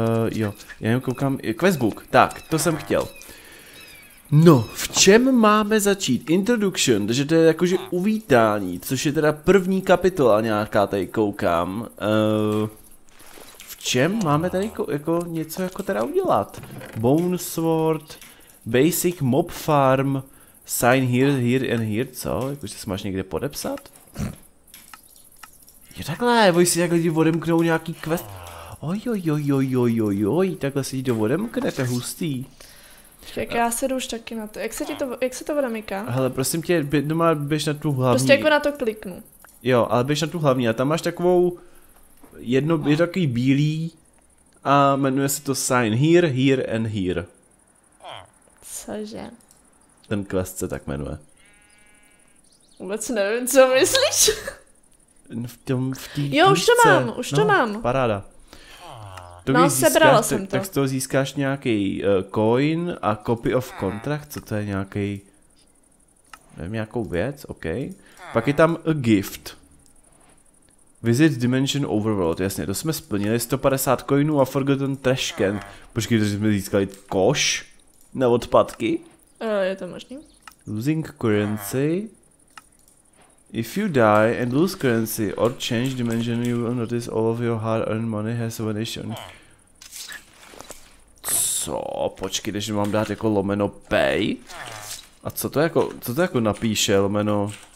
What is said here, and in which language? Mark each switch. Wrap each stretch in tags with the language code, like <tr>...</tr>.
<cs>Jo, já jen koukám, questbook, tak, to jsem chtěl. No, v čem máme začít? Introduction, takže to je jakože uvítání, což je teda první kapitola nějaká, tady koukám. V čem máme tady jako něco jako teda udělat?</cs> <en>Bone sword, basic mob farm, sign here, here and here, co?</en> <cs>Jakože se máš někde podepsat? Jo takhle, boj si takhle ti odemknou nějaký quest. Ojojojojojojoj, takhle si ti to odemkne, to je hustý. Tak já se jdu už taky na to. Jak se to odemyká? Hele, prosím tě, doma běž na tu hlavní. Prostě jako na to kliknu. Jo, ale běž na tu hlavní a tam máš takovou, jedno, je takový bílý a jmenuje se to sign here, here and here. Cože? Ten quest se tak jmenuje. Vůbec nevím, co myslíš. V té jo, už knížce. To mám, už no, to mám. Paráda. To no, sebrala jsem to. Tak z toho získáš nějaký coin a copy of contract, co to je nějaký, nevím, nějakou věc, ok. Pak je tam a gift. Visit Dimension Overworld, jasně, to jsme splnili, 150 coinů a Forgotten Trash Can. Počkej, protože jsme získali koš na odpadky. Je to možný.</cs> <en>Losing currency. If you die and lose currency or change dimension, you will notice all of your hard-earned money has vanished.</en> <cs>On... Co? Počkej, když mám dát jako lomeno pay? A co to jako napíše lomeno?</cs>